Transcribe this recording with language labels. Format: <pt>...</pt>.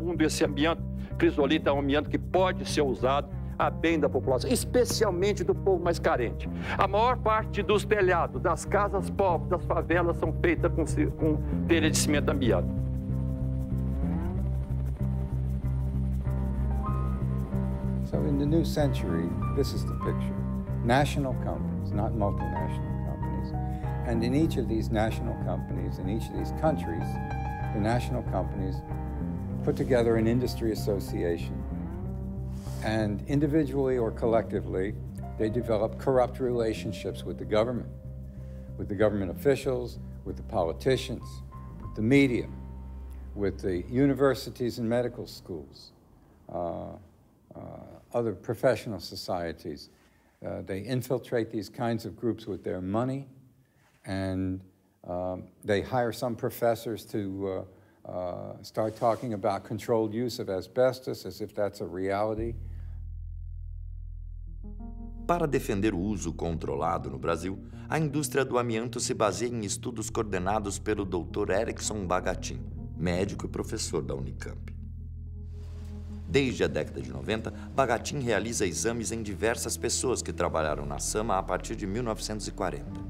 <pt>Um desse amianto, crisolita, é um amianto que pode ser usado a bem da população, especialmente do povo mais carente. A maior parte dos telhados, das casas pobres, das favelas, são feitas com telha de cimento amianto.</pt> <en>So in the new century, this is the picture. National companies, not multinational companies. And in each of these national companies, in each of these countries, the national companies put together an industry association. And individually or collectively, they develop corrupt relationships with the government officials, with the politicians, with the media, with the universities and medical schools. Other professional societies. They infiltrate these kinds of groups with their money, and they hire some professors to start talking about controlled use of asbestos as if that's a reality.</en> <pt>Para defender o uso controlado no Brasil, a indústria do amianto se baseia em estudos coordenados pelo Dr. Erickson Bagatin, médico e professor da Unicamp. Desde a década de 90, Bagatin realiza exames em diversas pessoas que trabalharam na Sama a partir de 1940.</pt>